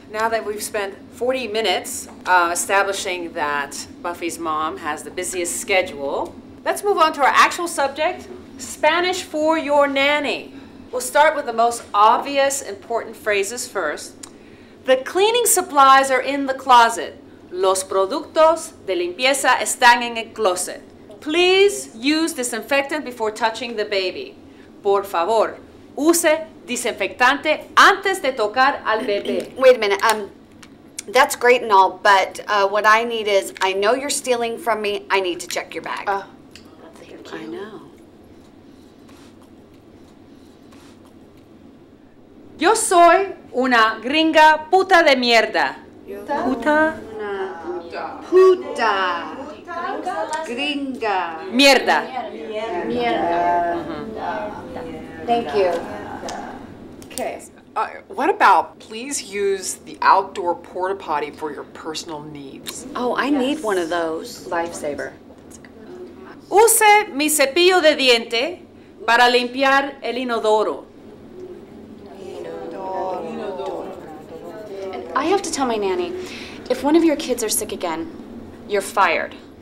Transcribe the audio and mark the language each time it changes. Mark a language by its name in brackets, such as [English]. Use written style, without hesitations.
[English] Now that we've spent 40 minutes establishing that Buffy's mom has the busiest schedule, let's move on to our actual subject, Spanish for your nanny. We'll start with the most obvious important phrases first. The cleaning supplies are in the closet. [Spanish] Los productos de limpieza están en el closet. [English] Please use disinfectant before touching the baby. [Spanish] Por favor, use desinfectante antes de tocar al bebé. [English] Wait a minute. That's great and all, but what I need is, I know you're stealing from me. I need to check your bag. Thank you. I know. [Spanish] Yo soy una gringa puta de mierda. Puta. Puta. Gringa. Mierda. Mierda. [English] Thank you. Okay. What about please use the outdoor porta potty for your personal needs? Oh, I need one of those. Lifesaver. [Spanish] Use mi cepillo de diente para limpiar el inodoro. [English] And I have to tell my nanny, if one of your kids are sick again, you're fired.